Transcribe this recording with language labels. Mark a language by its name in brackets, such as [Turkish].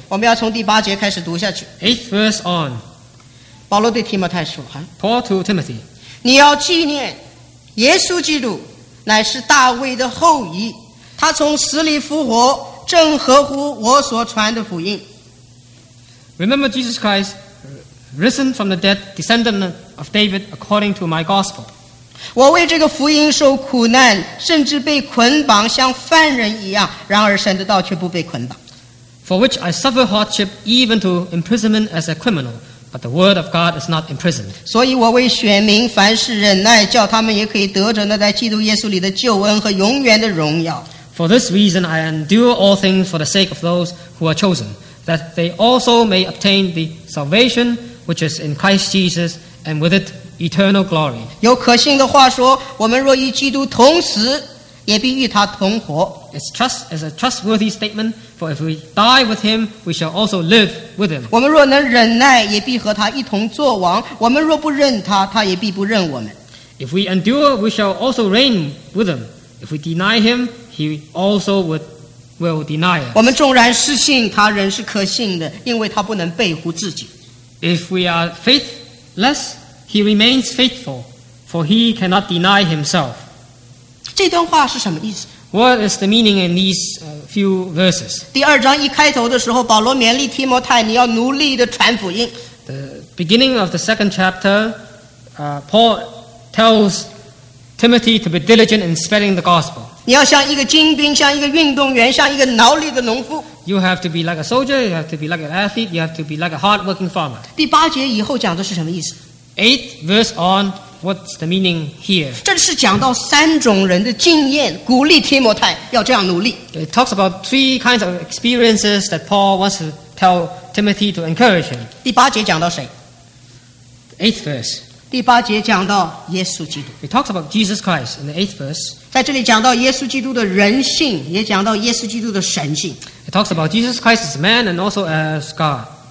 [Chinese] 我们要从第八节开始读下去。 [English] Eighth verse on. [Chinese] 保罗对提摩太说：“哈 [English] ，Paul to Timothy， [Chinese] 你要纪念耶稣基督乃是大卫的后裔，他从死里复活，正合乎我所传的福音。 [English] Remember Jesus Christ, risen from the dead, descendant of David, according to my gospel. [Chinese] 我为这个福音受苦难，甚至被捆绑，像犯人一样。然而神的道却不被捆绑。 [English] For which I suffer hardship, even to imprisonment as a criminal.” But the word of God is not imprisoned. [Chinese] 所以我为选民凡事忍耐，叫他们也可以得着那在基督耶稣里的救恩和永远的荣耀。 [English] For this reason, I endure all things for the sake of those who are chosen, that they also may obtain the salvation which is in Christ Jesus, and with it eternal glory. [Chinese] 有可信的话说，我们若与基督同死，也必与他同活。 [English] It's a trustworthy statement, for if we die with him, we shall also live with him. [Chinese] 我们若能忍耐，也必和他一同作王；我们若不认他，他也必不认我们。 [English] If we endure, we shall also reign with him. If we deny him, he also will deny us. [Chinese] 我们纵然失信，他仍是可信的，因为他不能背乎自己。 [English] If we are faithless, he remains faithful, for he cannot deny himself. [Chinese] 这段话是什么意思？ [English] What is the meaning in these few verses? [Chinese] 第二章一开头的时候，保罗勉励提摩太，你要努力地传福音。 [English] The beginning of the second chapter, Paul tells Timothy to be diligent in spreading the gospel. [Chinese] 你要像一个精兵，像一个运动员，像一个劳力的农夫。 [English] You have to be like a soldier, you have to be like an athlete, you have to be like a hard-working farmer. [Chinese] 第八节以后讲的是什么意思？ [English] Eighth verse on,What's the meaning here? [Chinese] 这是讲到三种人的经验，鼓励提摩太要这样努力。 [English] It talks about three kinds of experiences that Paul wants to tell Timothy to encourage him. [Chinese] 第八节讲到谁？ [English] Eighth verse. [Chinese] 第八节讲到耶稣基督。 [English] It talks about Jesus Christ in the eighth verse. [Chinese] 在这里讲到耶稣基督的人性，也讲到耶稣基督的神性。 [English] It talks about Jesus Christ as man and also as God.